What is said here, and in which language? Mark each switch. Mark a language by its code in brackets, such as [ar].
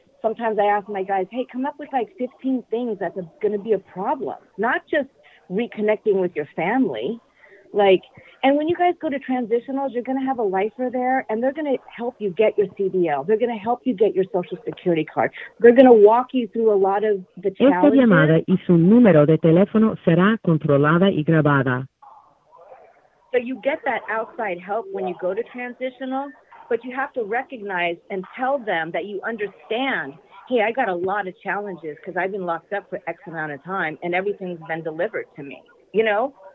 [en] Sometimes I ask my guys, hey, come up with like 15 things that's going to be a problem, not just reconnecting with your family. Like, and when you guys go to transitionals, you're going to have a lifer there and they're going to help you get your CDL. They're going to help you get your social security card. They're going to walk you through a lot of the challenges. [es] Esta llamada y su número de teléfono será controlada y grabada. [en] So you get that outside help when you go to transitional, but you have to recognize and tell them that you understand, hey, I got a lot of challenges because I've been locked up for X amount of time and everything's been delivered to me, you know?